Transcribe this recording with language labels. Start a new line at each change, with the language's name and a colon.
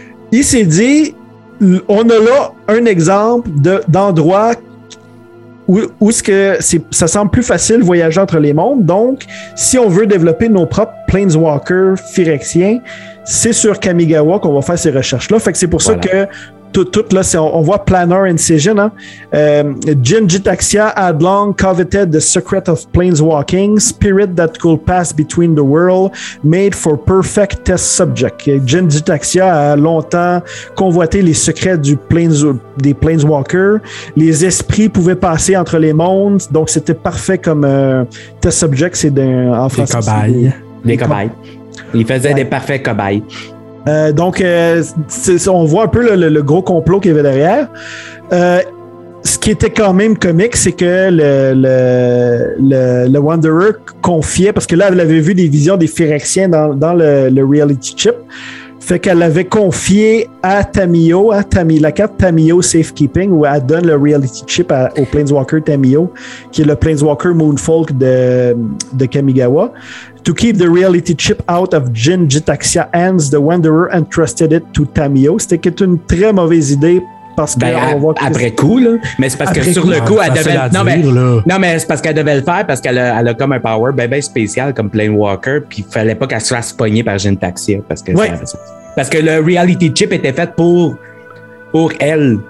French: Il s'est dit, on a là un exemple d'endroit où ce que ça semble plus facile voyager entre les mondes. Donc, si on veut développer nos propres Planeswalker Phyrexiens, c'est sur Kamigawa qu'on va faire ces recherches-là. Fait que c'est pour ça que tout là, on voit Planar Incision. Hein?
English: Jin Jitaxia had long coveted the secret of planeswalking, spirit that could pass between the world, made for perfect test subject.
French: Jin Jitaxia a longtemps convoité les secrets des planeswalkers. Les esprits pouvaient passer entre les mondes, donc c'était parfait comme
English: test subject.
French: C'est en français. Des cobayes. Des cobayes. Il faisait des parfaits cobayes. On voit un peu le gros complot qu'il y avait derrière. Ce qui était quand même comique, c'est que le Wanderer confiait, parce que là, elle avait vu des visions des Phyrexiens dans le Reality Chip, fait qu'elle l'avait confié à Tamiyo, la carte Tamiyo Safekeeping, où elle donne le Reality Chip au Planeswalker Tamiyo, qui est le Planeswalker Moonfolk de Kamigawa.
English: To keep the reality chip out of Jin Jitaxia hands, the Wanderer entrusted it to Tamiyo.
French: C'était une très mauvaise idée parce que on voit après coup là, mais c'est parce que sur le coup elle devait mais c'est parce qu'elle devait le faire parce qu'elle a comme un power ben spécial comme Planeswalker, puis il fallait pas qu'elle se fasse pogner par Jin Jitaxia parce que parce que le reality chip était fait pour elle.